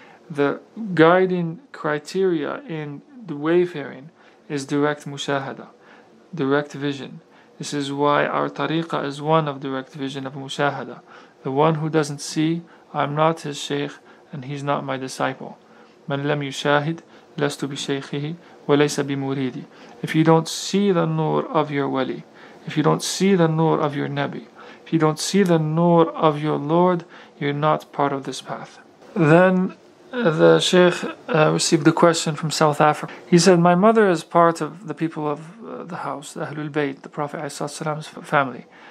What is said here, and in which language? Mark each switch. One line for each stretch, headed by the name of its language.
English: The guiding criteria in the wayfaring is direct mushahada, direct vision. This is why our tariqah is one of direct vision of mushahada. The one who doesn't see, I'm not his sheikh and he's not my disciple.
Arabic: من لم يشاهد لست بشيخه وليس بمريدي.
English: If you don't see the nur of your wali, if you don't see the nur of your nabi, if you don't see the nur of your lord, you're not part of this path. Then the sheikh received a question from South Africa. He said, my mother is part of the people of the house, the Ahlul Bayt, the Prophet ﷺ's family.